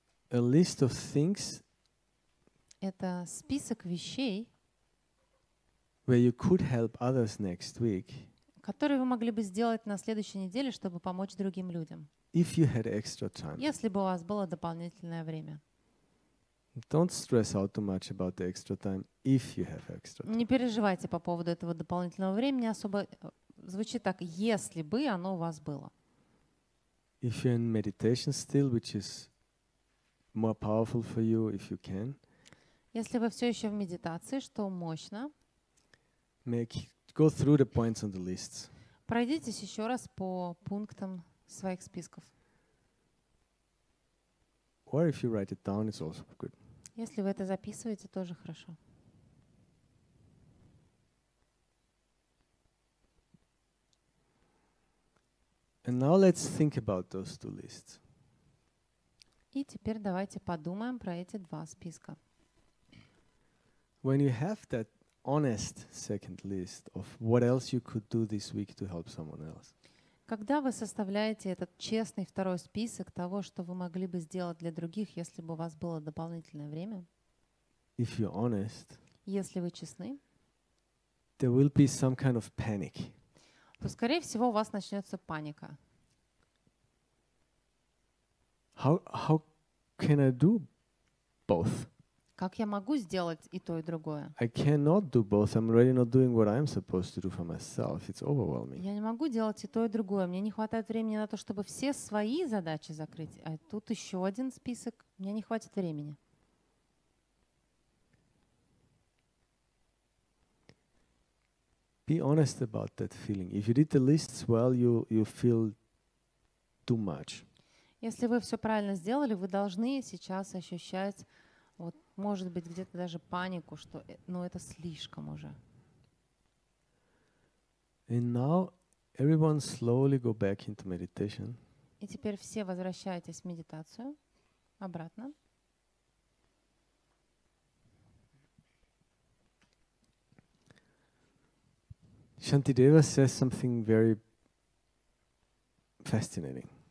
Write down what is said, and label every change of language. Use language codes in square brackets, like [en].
[en] A list of things. [ru] Это список вещей, [en] where you could help others next week, [ru] которые вы могли бы сделать на следующей неделе, чтобы помочь другим людям. [en] If you had extra time. [ru] Если бы у вас было дополнительное время. [en] Don't stress out too much about the extra time if you have extra time. [ru] Не переживайте по поводу этого дополнительного времени особо. Звучит так, если бы оно у вас было. [en] If you're in meditation still, which is more powerful for you, if you can. [ru] Если вы все еще в медитации, что мощно. [en] Go through the points on the lists. [ru] Пройдитесь еще раз по пунктам своих списков. [en] Or if you write it down, it's also good. [ru] Если вы это записываете, тоже хорошо. [en] And now let's think about those two lists. [ru] И теперь давайте подумаем про эти два списка. [en] When you have that honest second list of what else you could do this week to help someone else. [ru] Когда вы составляете этот честный второй список того, что вы могли бы сделать для других, если бы у вас было дополнительное время? [en] If you're honest. [ru] Если вы честны. [en] There will be some kind of panic. [ru] То, скорее всего, у вас начнется паника. [en] How can I do both? [ru] Как я могу сделать и то, и другое? [en] I cannot do both. I'm already not doing what I'm supposed to do for myself. It's overwhelming. [ru] Я не могу делать и то, и другое. Мне не хватает времени на то, чтобы все свои задачи закрыть. А тут еще один список. Мне не хватит времени. [en] Be honest about that feeling. If you did the lists well, you feel too much. [ru] Если вы все правильно сделали, вы должны сейчас ощущать, вот, может быть, где-то даже панику, что, ну, это слишком уже. [en] And now everyone slowly go back into meditation. [ru] И теперь все возвращаетесь в медитацию обратно. [en] Shantideva says something very fascinating.